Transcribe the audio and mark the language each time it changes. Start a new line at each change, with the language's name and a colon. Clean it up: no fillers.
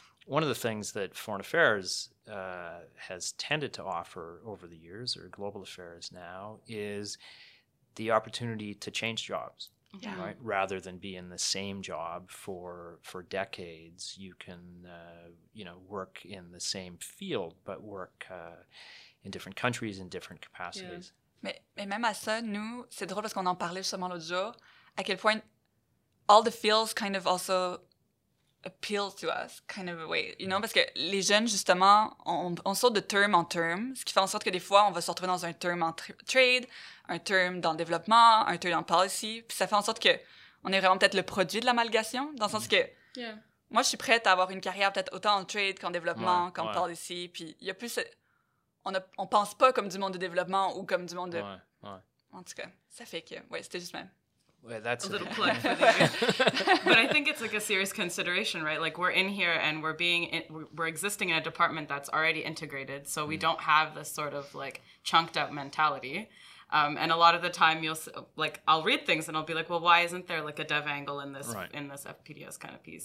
English: One of the things that foreign affairs has tended to offer over the years, or global affairs now, is the opportunity to change jobs. Yeah. Right? Rather than be in the same job for decades, you can work in the same field, but work in different countries in different capacities. Yeah.
French: Mais même à ça, nous, c'est drôle parce qu'on en parlait justement l'autre jour, à quel point
English: all the fields kind of also appeal to us, kind of a way, you know,
French: parce que les jeunes, justement, on saute de term en term, ce qui fait en sorte que des fois, on va se retrouver dans un term en trade, un term dans le développement, un term en policy, puis ça fait en sorte que on est vraiment peut-être le produit de l'amalgation, dans le sens que moi, je suis prête à avoir une carrière peut-être autant en trade qu'en développement, qu'en policy, puis il y a plus... On pense pas comme du monde de développement ou comme du monde de... En tout cas, ça fait que... Ouais, c'était juste même...
English: Well, that's a little plug. But I think it's like a serious consideration, right? Like we're in here and we're existing in a department that's already integrated. So we don't have this sort of like chunked out mentality. And a lot of the time I'll read things and I'll be like, well, why isn't there like a dev angle in this, in this FPDS kind of piece?